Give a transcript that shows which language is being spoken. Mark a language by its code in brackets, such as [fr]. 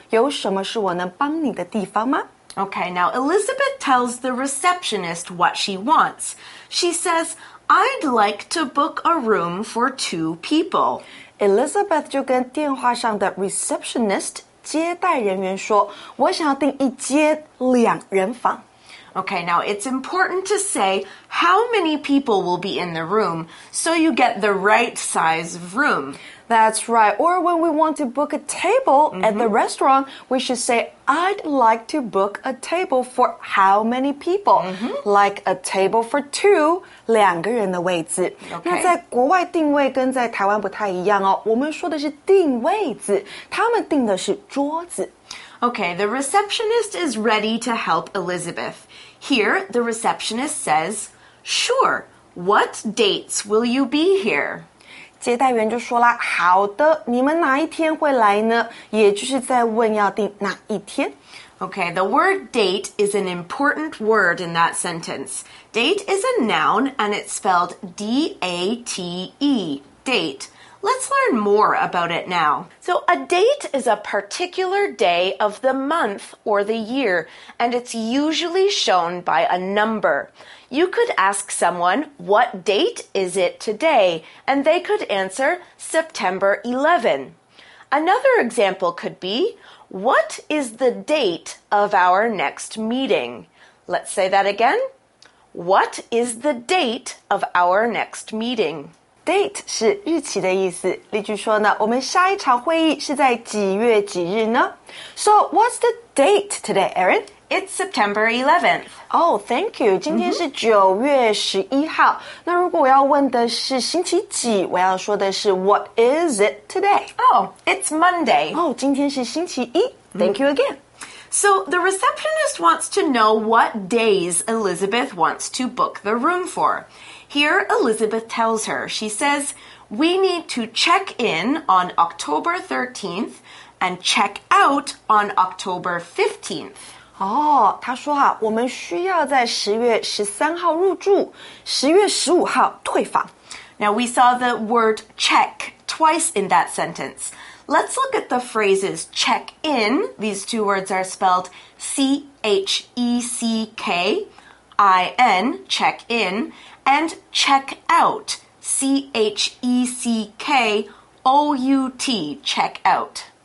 [zh] 有什么是我能帮你的地方吗？ [en] Okay, now Elizabeth tells the receptionist what she wants. She says, I'd like to book a room for two people. [zh] Elizabeth 就跟电话上的 receptionist接待人员说，我想要订一间两人房。 [en] Okay, now it's important to say how many people will be in the room so you get the right size of room. That's right. Or when we want to book a table、mm-hmm. at the restaurant, we should say, I'd like to book a table for how many people?、Mm-hmm. Like a table for two, [zh] 两个人的位置。 [en] Okay. [zh] 那在国外订位跟在台湾不太一样哦。我们说的是订位子，他们订的是桌子。 [en] Okay, the receptionist is ready to help Elizabeth. Here, the receptionist says, sure, what dates will you be here? [zh] 接待员就说了，好的，你们哪一天会来呢？也就是在问要订哪一天。 [en] Okay, the word date is an important word in that sentence. Date is a noun and it's spelled D-A-T-E, date. Let's learn more about it now. So a date is a particular day of the month or the year, and it's usually shown by a number. You could ask someone, what date is it today? And they could answer, September 11. Another example could be, what is the date of our next meeting? Let's say that again. What is the date of our next meeting? [zh] Date 是日期的意思。例句说呢，我们下一场会议是在几月几日呢？ [en] So what's the date today, Erin? It's September 11th. Oh, thank you. [zh] 今天是9月11号。那如果我要问的是星期几，我要说的是 [en] what is it today? Oh, it's Monday. [zh] Oh, 今天是星期一。 [en] Thank you again. So the receptionist wants to know what days Elizabeth wants to book the room for. Here, Elizabeth tells her, she says, we need to check in on October 13th and check out on October 15th. [zh] 哦，他说啊，我们需要在10月13号入住，10月15号退房。 [en] Now we saw the word check twice in that sentence. Let's look at the phrases check in. These two words are spelled C-H-E-C-K-I-N, check in, and check out, C-H-E-C-K-O-U-T, check out.